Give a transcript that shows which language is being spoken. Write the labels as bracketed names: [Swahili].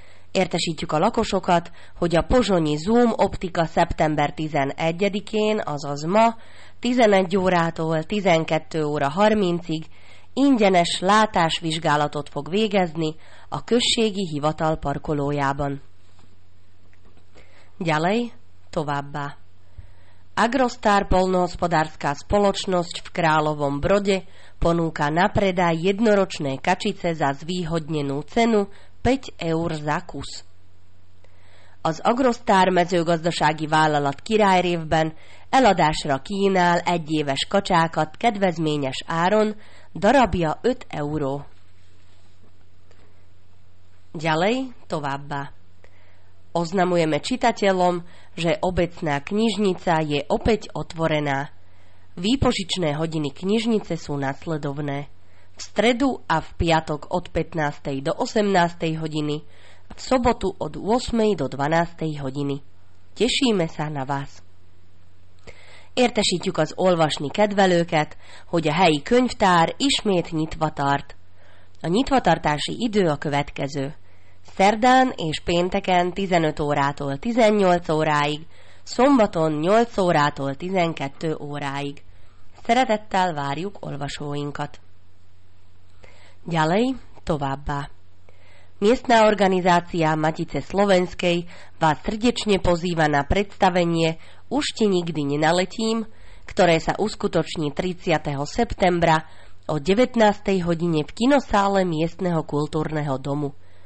[Hungarian] Értesítjük a lakosokat, hogy a pozsonyi Zoom Optika szeptember 11-én, azaz ma, 11 órától 12 óra 30-ig ingyenes látásvizsgálatot fog végezni a községi hivatal parkolójában. [Slovak] Ďalej, [Hungarian] továbbá. [Slovak] Agrostar polnohospodárska spoločnosť v Královom Brode ponúka na predaj jednoročné kačice za zvýhodnenú cenu 5 eur za kus. [Hungarian] Az Agrostar mezőgazdasági vállalat Királyrévben eladásra kínál egyéves kacsákat kedvezményes áron, darabja 5 euró. [Slovak] Ďalej, [Hungarian] továbbá. [Slovak] Oznamujeme čitateľom, že obecná knižnica je opäť otvorená. Výpožičné hodiny knižnice sú nasledovné. V stredu a v piatok od 15. do 18. hodiny a v sobotu od 8. do 12. hodiny. Tešíme sa na vás. [Hungarian] Értesítjük az olvasni kedvelőket, hogy a helyi könyvtár ismét nyitva tart. A nyitvatartási idő a következő. Szerdán és pénteken 15 órától 18 óráig, szombaton 8 órától 12 óráig. Szeretettel várjuk olvasóinkat. [Slovak] Ďalej, [Hungarian] továbbá. [Slovak] Miestna organizácia Matice Slovenskej vás srdečne pozýva na predstavenie Už ti nikdy nenaletím, ktoré sa uskutoční 30. septembra o 19. hodine v kinosále miestneho kultúrneho domu.